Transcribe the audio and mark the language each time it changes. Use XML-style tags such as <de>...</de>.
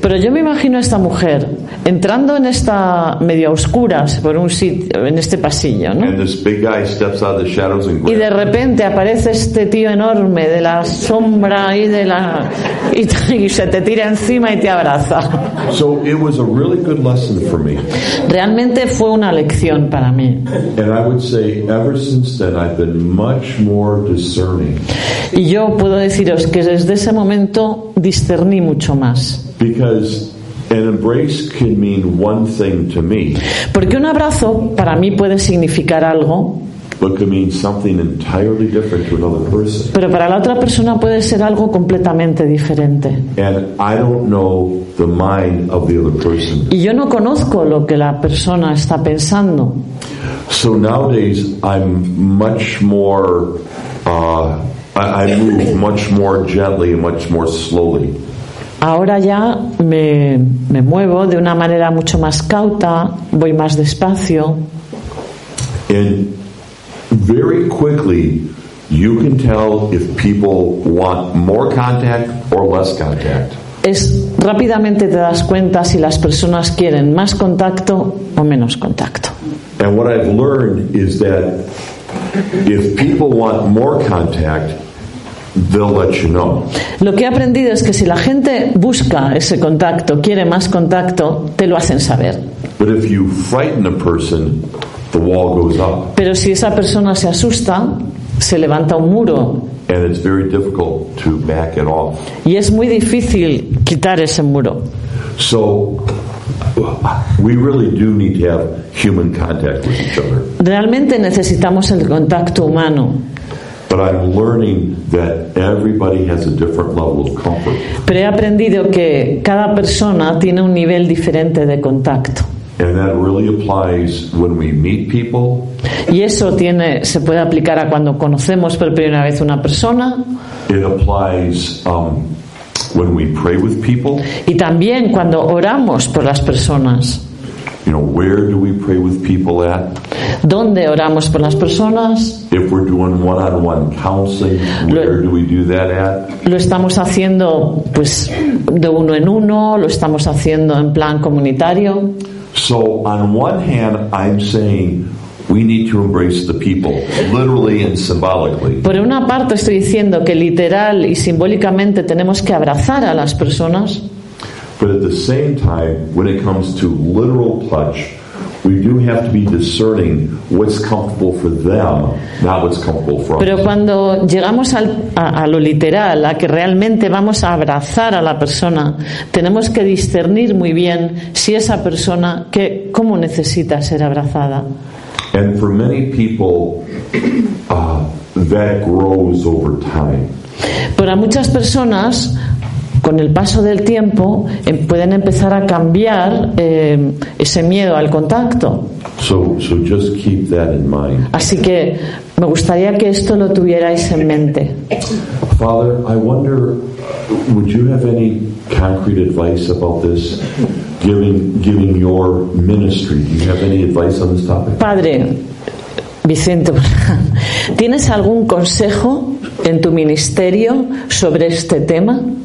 <es>Pero yo me imagino a esta mujer entrando en esta medio oscuras por un sitio, en este pasillo, ¿no?</es> <en>And this big guy steps out of the shadows and grabs.</en> <es>Y de repente aparece este tío enorme de la sombra y de la y se te tira encima y te abraza.</es> <en>So it was a really good lesson for me.</en> <es>Realmente fue una lección para mí.</es> <en>And I would say ever since then I've been much more discerning.</en> <es>Y yo puedo deciros que desde ese momento discerní mucho más.</es> <en>Because an embrace can mean one thing to me.</en> <es>Porque un abrazo para mí puede significar algo.</es> <en>But could mean something entirely different to another person.</en> <es>Pero para la otra persona puede ser algo completamente diferente.</es> <en>And I don't know the mind of the other person.</en> <es>Y yo no conozco lo que la persona está pensando.</es> <en>So nowadays I'm much more I move much more gently and much more slowly.</en> <es>Ahora ya me muevo de una manera mucho más cauta, voy más despacio.</es> <en>And very quickly you can tell if people want more contact or less contact.</en> <es>Es rápidamente te das cuenta si las personas quieren más contacto o menos contacto.</es> <en>And what I've learned is that if people want more contact, they'll let you know.</en> <es>Lo que he aprendido es que si la gente busca ese contacto, quiere más contacto, te lo hacen saber.</es> <en>But if you frighten a person, the wall goes up.</en> <es>Pero si esa persona se asusta, se levanta un muro.</es> <en>And it's very difficult to back it off.</en> <es>Y es muy difícil quitar ese muro.</es> <en>So we really do need to have human contact with each other.</en> <es>Realmente necesitamos el contacto humano.</es> <en>But I'm learning that everybody has a different level of comfort.</en> <es>Pero he aprendido que cada persona tiene un nivel diferente de contacto.</es> <en>And that really applies when we meet people.</en> <es>Y eso se puede aplicar a cuando conocemos por primera vez una persona.</es> <en>It applies when we pray with people.</en> <es>Y también cuando oramos por las personas.</es> <en>You know, where do we pray with people at?</en> <es>¿Dónde oramos por las personas?</es> <en>If we're doing one-on-one counseling, where do we do that at?</en> <es>Lo estamos haciendo, pues, de uno en uno, lo estamos haciendo en plan comunitario.</es> <en>So, on one hand, I'm saying we need to embrace the people, literally and symbolically.</en> <es>Por una parte, estoy diciendo que literal y simbólicamente tenemos que abrazar a las personas.</es> <en>But at the same time, when it comes to literal touch, we do have to be discerning what's comfortable for them, not what's comfortable for us.</en> <es>Pero cuando llegamos a lo literal, a que realmente vamos a abrazar a la persona, tenemos que discernir muy bien si esa persona, cómo necesita ser abrazada.</es> <en>And for many people, that grows over time.</en> <es>Para muchas personas, con el paso del tiempo pueden empezar a cambiar ese miedo al contacto.</es> <en>So just keep that in mind.</en> <es>Así que me gustaría que esto lo tuvierais en mente.</es> <en>Father, I wonder, would you have any concrete advice about this? Giving your ministry, do you have any advice on this topic?</en> <es>Padre Vicente, ¿tienes algún consejo en tu ministerio sobre este tema?</es>